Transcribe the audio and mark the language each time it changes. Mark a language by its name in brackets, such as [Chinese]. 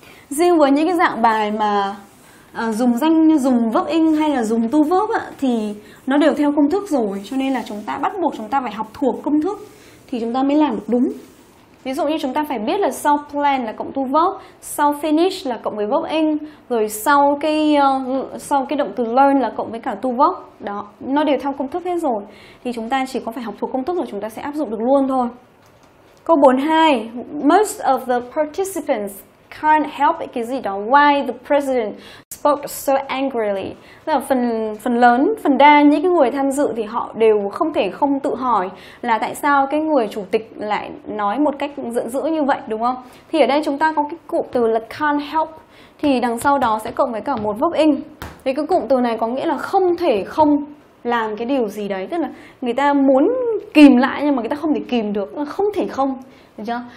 [Vietnamese] Riêng với những cái dạng bài mà dùng verb ing hay là dùng to verb á, thì nó đều theo công thức rồi, cho nên là chúng ta bắt buộc chúng ta phải học thuộc công thức thì chúng ta mới làm được đúng. Ví dụ như chúng ta phải biết là sau plan là cộng to verb, sau finish là cộng với verb ing, rồi sau cái động từ learn là cộng với cả to verb. Đó, nó đều theo công thức hết rồi. Thì chúng ta chỉ có phải học thuộc công thức là chúng ta sẽ áp dụng được luôn thôi. [English] Câu 42, most of the participants can't help it, [Vietnamese] cái gì đó, [English] why the president spoke so angrily. [Vietnamese] Là phần đa những cái người tham dự thì họ đều không thể không tự hỏi là tại sao cái người chủ tịch lại nói một cách giận dữ như vậy, đúng không? Thì ở đây chúng ta có cái cụm từ là can't help, thì đằng sau đó sẽ cộng với cả một verb ing. Thì cái cụm từ này có nghĩa là không thể không làm cái điều gì đấy, tức là người ta muốn kìm lại nhưng mà người ta không thể kìm được, không thể không, được chưa?